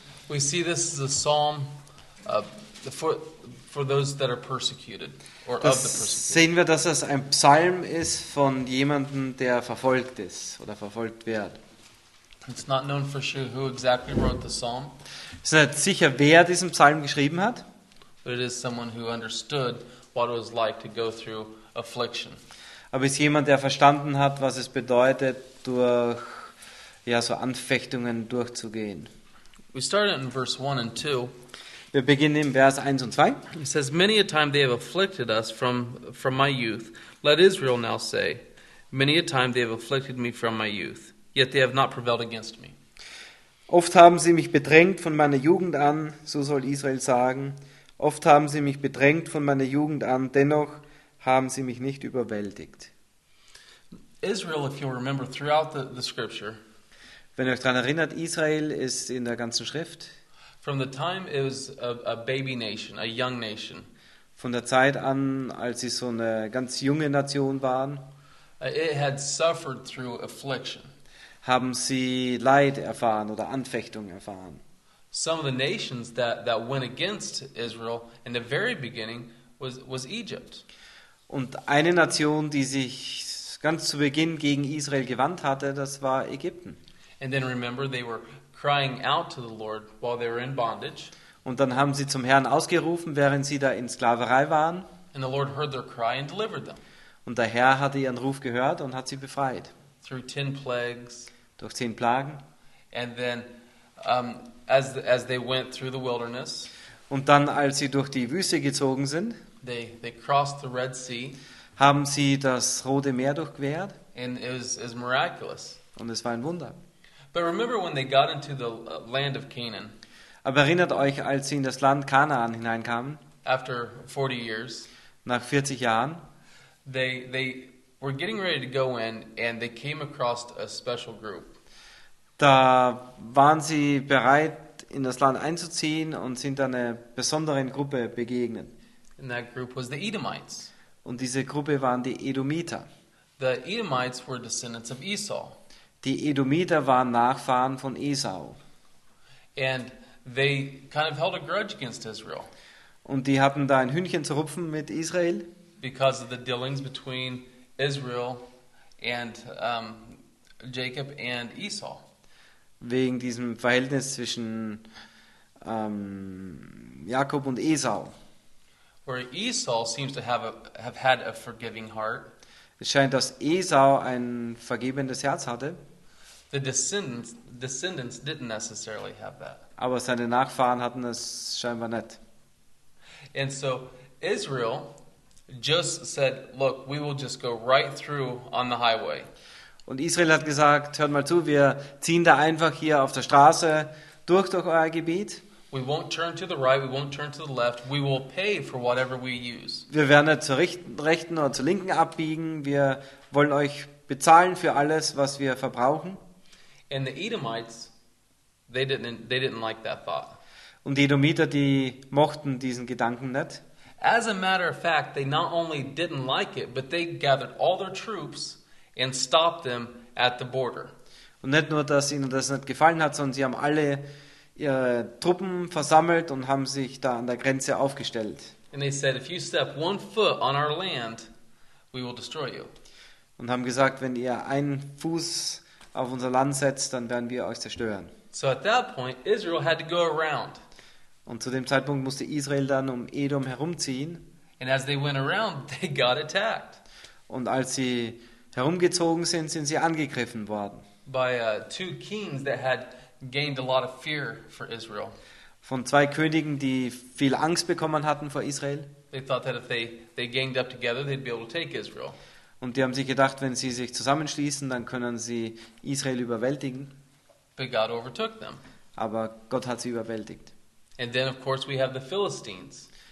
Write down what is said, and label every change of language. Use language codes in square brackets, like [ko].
[en] we see this is a psalm for those that are persecuted or of the persecuted. [de] Sehen wir, dass es ein Psalm ist von jemanden, der verfolgt ist oder verfolgt wird. [en] It's not known for sure who exactly wrote the psalm. [de] Es ist nicht sicher, wer diesen Psalm geschrieben hat. [en] But it is someone who understood what it was like to go through affliction. [de] Aber es ist jemand, der verstanden hat, was es bedeutet, durch ja so Anfechtungen durchzugehen. [en] We start in verse 1 and 2. [de] Wir beginnen in Vers 1 und 2. [en] It says, many a time they have afflicted us from my youth. Let Israel now say, many a time they have afflicted me from my youth. Yet they have not prevailed against me. [de] Oft haben sie mich bedrängt von meiner Jugend an, so soll Israel sagen. Oft haben sie mich bedrängt von meiner Jugend an, dennoch haben sie mich nicht überwältigt. [en] Israel, if you remember, throughout the scripture, [de] wenn ihr euch daran erinnert, Israel ist in der ganzen Schrift. [en] From the time it was a baby nation, a young nation. [de] Von der Zeit an, als sie so eine ganz junge Nation waren, [en] it had suffered through affliction. [de] Haben sie Leid erfahren oder Anfechtung erfahren. [en] Some of the nations that went against Israel in the very beginning was Egypt. [de] Und eine Nation, die sich ganz zu Beginn gegen Israel gewandt hatte, das war Ägypten. [en] And then remember, they were crying out to the Lord while they were in bondage. [de] Und dann haben sie zum Herrn ausgerufen, während sie da in Sklaverei waren. [en] And the Lord heard their cry and delivered them. [de] Und der Herr hatte ihren Ruf gehört und hat sie befreit. [en] Through 10 plagues. [de] Durch 10 Plagen. [en] And then as they went through the wilderness. [de] Und dann, als sie durch die Wüste gezogen sind, [en] they crossed the Red Sea. [de] Haben sie das Rote Meer durchquert. [en] And it was miraculous. [de] Und es war ein Wunder. [en] But remember when they got into the land of Canaan. [de] Aber erinnert euch, als sie in das Land Kanaan hineinkamen. [en] After 40 years. [de] Nach 40 Jahren. [en] They were getting ready to go in and they came across a special group. [de] Da waren sie bereit, in das Land einzuziehen und sind einer besonderen Gruppe begegnet. [en] And that group was the Edomites. [de] Und diese Gruppe waren die Edomiter. [en] The Edomites were descendants of Esau. [de] Die Edomiter waren Nachfahren von Esau. [en] And they kind of held a grudge against Israel. [de] Und die hatten da ein Hühnchen zu rupfen mit Israel. [en] Because of the dealings between Israel and Jacob and Esau. [de] Wegen diesem Verhältnis zwischen Jakob und Esau. [en] Where Esau seems to have had a forgiving heart. [de] Es scheint, dass Esau ein vergebendes Herz hatte. [en] The descendants didn't necessarily have that. [de] Aber seine Nachfahren hatten es scheinbar nicht. [en] And so Israel just said, look, we will just go right through on the highway. [de] Und Israel hat gesagt, hört mal zu, wir ziehen da einfach hier auf der Straße durch euer Gebiet. [en] We won't turn to the right, we won't turn to the left, we will pay for whatever we use. [de] Wir werden nicht zur rechten oder zur linken abbiegen, wir wollen euch bezahlen für alles, was wir verbrauchen. [en] And the Edomites, they didn't like that thought. [de] Und die Edomiter, die mochten diesen Gedanken nicht. [en] As a matter of fact, they not only didn't like it, but they gathered all their troops and stopped them at the border. [de] Und nicht nur, dass ihnen das nicht gefallen hat, sondern sie haben alle ihre Truppen versammelt und haben sich da an der Grenze aufgestellt. [en] And they said, if you step one foot on our land, we will destroy you. [de] Und haben gesagt, wenn ihr einen Fuß auf unser Land setzt, dann werden wir euch zerstören. [en] So at that point, Israel had to go around. [de] Und zu dem Zeitpunkt musste Israel dann um Edom herumziehen. [en] And as they went around, they got attacked. [de] Und als sie herumgezogen sind, sind sie angegriffen worden. [en] By two kings that had gained a lot of fear for Israel. [de] Von zwei Königen, die viel Angst bekommen hatten vor Israel. [en] They thought that if they ganged up together, they'd be able to take Israel. [de] Und die haben sich gedacht, wenn sie sich zusammenschließen, dann können sie Israel überwältigen. [en] But God overtook them. [de] Aber Gott hat sie überwältigt. [en] And then of course we have the Philistines.